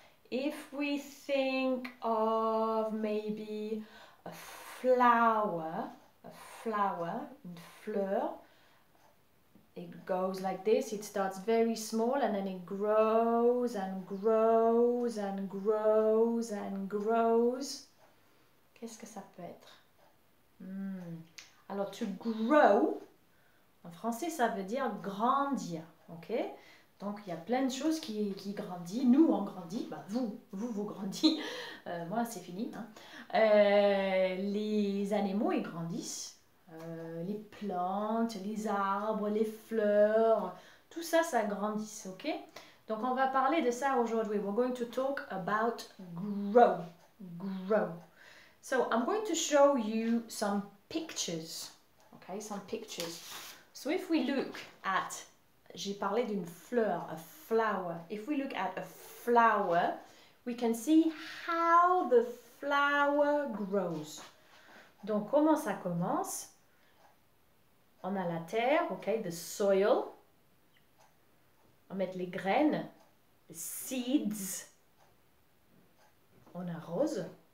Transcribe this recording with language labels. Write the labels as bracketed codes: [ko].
[en] If we think of maybe a flower, [fr] une fleur, [en] it goes like this. It starts very small and then it grows and grows and grows and grows. [fr] Qu'est-ce que ça peut être? Alors, to grow, En français, ça veut dire grandir, ok? Donc, il y a plein de choses qui grandit. Nous, on grandit. Bah, vous grandissez. Moi, c'est fini. Hein. Les animaux, ils grandissent. Les plantes, les arbres, les fleurs, tout ça, ça grandit, ok? Donc, on va parler de ça aujourd'hui. [en] We're going to talk about grow. So, I'm going to show you some pictures, ok? Some pictures. So, if we look at, [fr] j'ai parlé d'une fleur, [en] a flower. If we look at a flower, we can see how the flower grows. [fr] Donc, comment ça commence? On a la terre, ok, [en] the soil. [fr] On met les graines, [en] the seeds. [fr] On arrose.